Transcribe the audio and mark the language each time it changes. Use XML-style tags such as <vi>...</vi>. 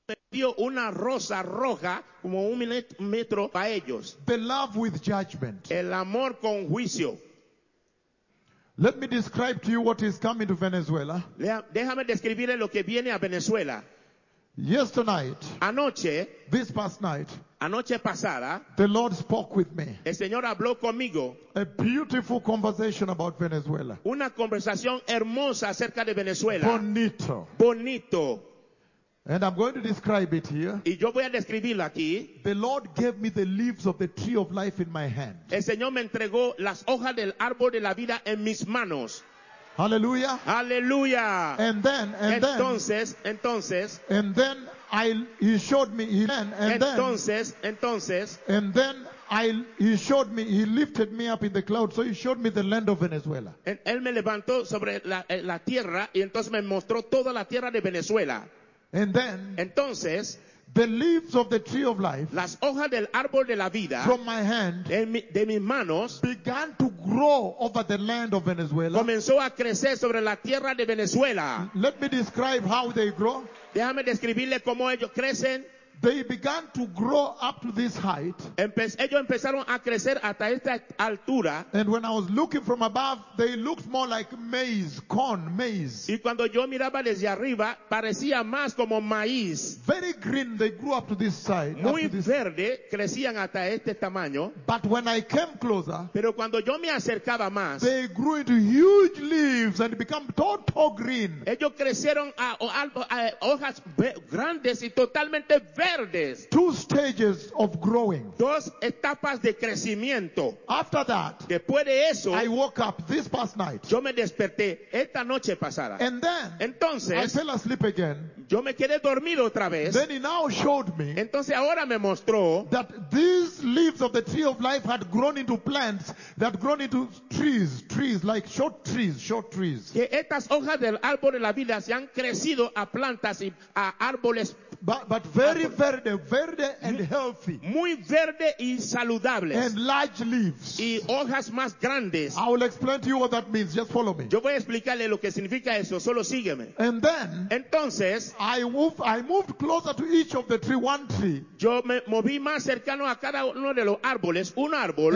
<es>Dio una rosa roja como un metro para ellos.</es> <en>The love with judgment.</en> <es>El amor con juicio.</es> <en>Let me describe to you what is coming to Venezuela.</en> <es>Déjame describirle lo que viene a Venezuela.</es> <en>Yesterday.</en> <es>Anoche.</es> <en>This past night.</en> <es>Anoche pasada.</es> <en>The Lord spoke with me.</en> <es>El Señor habló conmigo.</es> <en>A beautiful conversation about Venezuela.</en> <es>Una conversación hermosa acerca de Venezuela. Bonito. Bonito.</es> <en>And I'm going to describe it here.</en> <es>Y yo voy a describirlo aquí.</es> <en>The Lord gave me the leaves of the tree of life in my hand.</en> <es>El Señor me entregó las hojas del árbol de la vida en mis manos. Hallelujah. Hallelujah.</es> <en>And then,</en> <es>entonces,</es> <en>and then he showed me. He showed me. He lifted me up in the cloud. So he showed me the land of Venezuela.</en> <es>Él me levantó sobre la tierra y entonces me mostró toda la tierra de Venezuela.</es> <en>And then,</en> <es>entonces,</es> <en>the leaves of the tree of life,</en> <es>las hojas del árbol de la vida,</es> <en>from my hand,</en> <es>de mis manos,</es> <en>began to grow over the land of Venezuela.</en> <es>Comenzó a crecer sobre la tierra de Venezuela.</es> <en>Let me describe how they grow.</en> <es>Déjame describirle cómo ellos crecen.</es> <en>They began to grow up to this height.</en> <es>Ellos empezaron a crecer hasta esta altura.</es> <en>And when I was looking from above, they looked more like maize, corn, maize.</en> <es>Y cuando yo miraba desde arriba, parecía más como maíz.</es> <en>Very green, they grew up to this side.</en> <es>Muy verde, crecían hasta este tamaño.</es> <en>But when I came closer,</en> <es>pero cuando yo me acercaba más,</es> <en>they grew into huge leaves and became tall, tall green.</en> <es>Ellos crecieron a hojas grandes y totalmente verdes. Verdes.</es> <en>Two stages of growing.</en> <es>Dos etapas de crecimiento.</es> <en>After that,</en> <es>después de eso,</es> <en>I woke up this past night.</en> <es>Yo me desperté esta noche pasada.</es> <en>And then,</en> <es>entonces,</es> <en>I fell asleep again.</en> <es>Yo me quedé dormido otra vez.</es> <en>Then he now showed me.</en> <es>Entonces ahora me mostró</es> <en>that these leaves of the tree of life had grown into plants that grown into trees like short trees.</en> <es>Que estas hojas del árbol de la vida se han crecido a plantas y a árboles.</es> <en>But very verde and healthy.</en> <es>Muy verde y saludable.</es> <en>And large leaves.</en> <es>Y hojas más grandes.</es> <en>I will explain to you what that means. Just follow me.</en> <es>Yo voy a explicarle lo que significa eso. Solo sígueme.</es> <en>And then,</en> <es>entonces,</es> <en>I moved closer to each of the tree, one tree.</en> <es>Yo me moví más cercano a cada uno de los árboles, un árbol.</es>